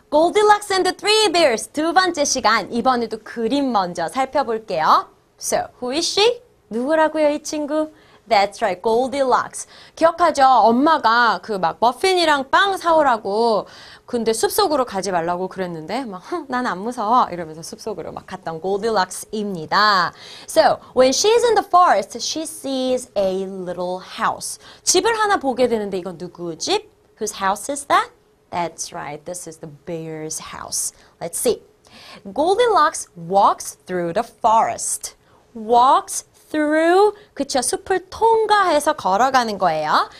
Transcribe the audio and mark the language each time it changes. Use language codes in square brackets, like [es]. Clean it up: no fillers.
[ko] Goldilocks and the Three Bears 두 번째 시간, 이번에도 그림 먼저 살펴볼게요. [en] So, who is she? [ko] 누구라고요, 이 친구? [en] That's right, Goldilocks. [ko] 기억하죠? 엄마가 그 막 머핀이랑 빵 사오라고 근데 숲속으로 가지 말라고 그랬는데 막 난 안 무서워 이러면서 숲속으로 막 갔던 Goldilocks입니다. [en] So, when she's in the forest, she sees a little house. [ko] 집을 하나 보게 되는데 이건 누구 집? [en] Whose house is that? That's right, this is the bear's house. Let's see. Goldilocks walks through the forest. Walks through, 그쵸, [ko] 숲을 통과해서 걸어가는 거예요.